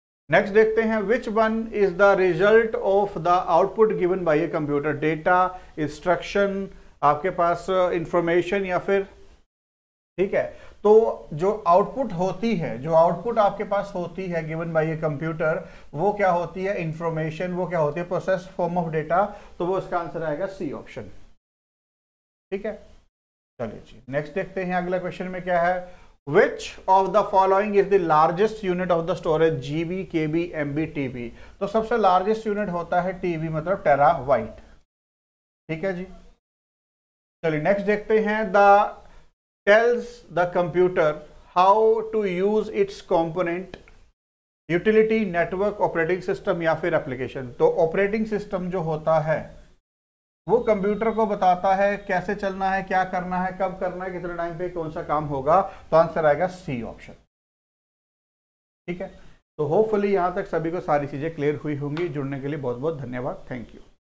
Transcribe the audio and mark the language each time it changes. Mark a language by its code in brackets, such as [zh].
[hi] Next देखते हैं, [en] which one is the result of the output given by a computer, [hi] data, instruction, आपके पास information या फिर, ठीक है, तो जो आउटपुट होती है, जो आउटपुट आपके पास होती है गिवन बाय ए कंप्यूटर, वो क्या होती है, इंफॉर्मेशन, वो क्या होती है, प्रोसेस फॉर्म ऑफ डेटा। तो वो इसका आंसर आएगा सी ऑप्शन, ठीक है। चलिए जी नेक्स्ट देखते हैं, अगला क्वेश्चन में क्या है, [en] Which of the following is the largest unit of the storage, GB, KB, MB, TB? [hi] तो सबसे largest unit होता है TB, मतलब terabyte, ठीक है जी। चलिए next देखते हैं, [en] the tells the computer how to use its component, utility, [hi] network, operating system या फिर application। तो operating system जो होता है वो कंप्यूटर को बताता है कैसे चलना है, क्या करना है, कब करना है, कितने टाइम पे कौन सा काम होगा। तो आंसर आएगा सी ऑप्शन, ठीक है। तो होपफुली यहां तक सभी को सारी चीजें क्लियर हुई होंगी। जुड़ने के लिए बहुत बहुत धन्यवाद, थैंक यू।